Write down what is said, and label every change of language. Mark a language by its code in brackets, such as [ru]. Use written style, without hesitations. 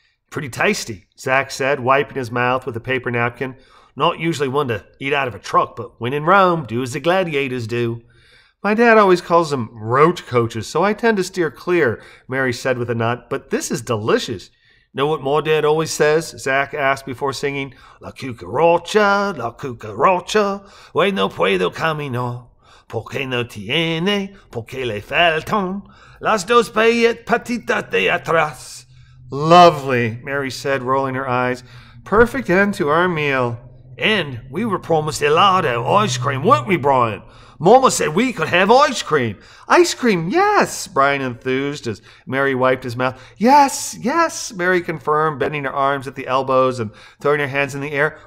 [en] Pretty tasty, Zach said, wiping his mouth with a paper napkin. Not usually one to eat out of a truck, but when in Rome, do as the gladiators do. My dad always calls them roach coaches, so I tend to steer clear, Mary said with a nod. But this is delicious. Know what my dad always says? Zach asked before singing. [es] La cucaracha, la cucaracha, hoy no puedo caminar. Porque no tiene, porque le faltan, las dos patitas de atrás. [en] Lovely, Mary said, rolling her eyes. Perfect end to our meal. And we were promised helado, ice cream, weren't we, Brian? Mama said we could have ice cream. Ice cream, yes, Brian enthused as Mary wiped his mouth. Yes, yes, Mary confirmed, bending her arms at the elbows and throwing her hands in the air.